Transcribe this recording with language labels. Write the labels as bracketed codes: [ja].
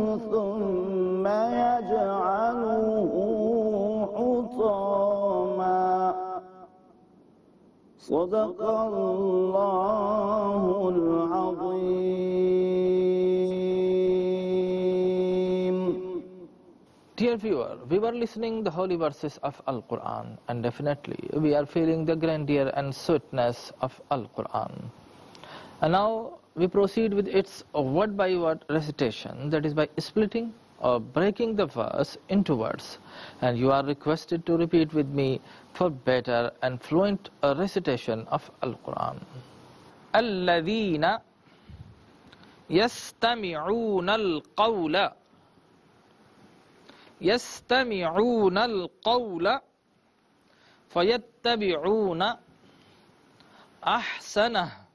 [ar] ثم يجعله حطاما صدق الله العظيم. [en] Dear viewer, we were listening the holy verses of Al-Quran, and definitely we are feeling the grandeur and sweetness of Al-Quran. And now we proceed with its word-by-word recitation, that is by splitting or breaking the verse into words. And you are requested to repeat with me for better and fluent recitation of Al-Quran. [ar] الَّذِينَ يَسْتَمِعُونَ الْقَوْلَ يستمعون القول فيتبعون أحسنه